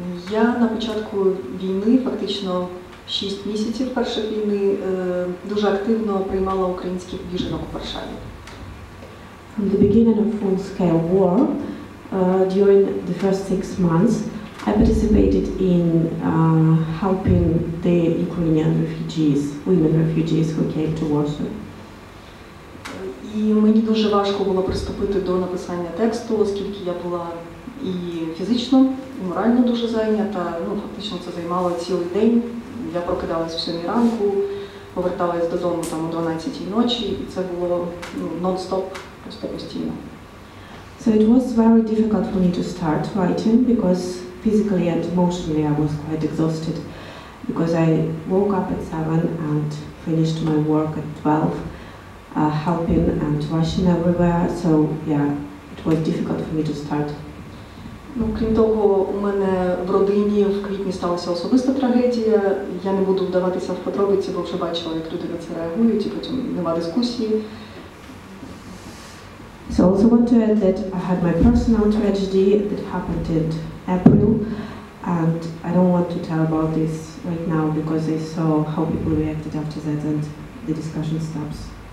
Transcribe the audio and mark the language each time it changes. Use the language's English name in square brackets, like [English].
[Ukrainian] Я на початку війни фактично 6 місяців першої війни дуже активно приймала українських біженок у Варшаві. [English] From the beginning of full-scale war, during the first 6 months, I participated in helping the Ukrainian refugees, women refugees who came to Warsaw. [Ukrainian] І мені дуже важко було приступити до написання тексту, оскільки я була і фізично, і морально дуже зайнята, фактично це займало цілий день. Я прокидалась в 7 ранку, поверталась додому там о 12 ночі, і це було нон-стоп, просто постійно. [English] So it was very difficult for me to start writing because physically and emotionally I was quite exhausted because I woke up at 7 and finished my work at 12, helping and rushing everywhere, so yeah, it was difficult for me to start. [Ukrainian] Ну, крім того, у мене в родині в квітні сталася особиста трагедія. Я не буду вдаватися в подробиці, бо вже бачила, як люди на це реагують, і потім нема дискусії. [English] So I also want to add that I had my personal tragedy that happened in April, and I don't want to tell about this right now because I saw how people reacted after that and the discussion stops.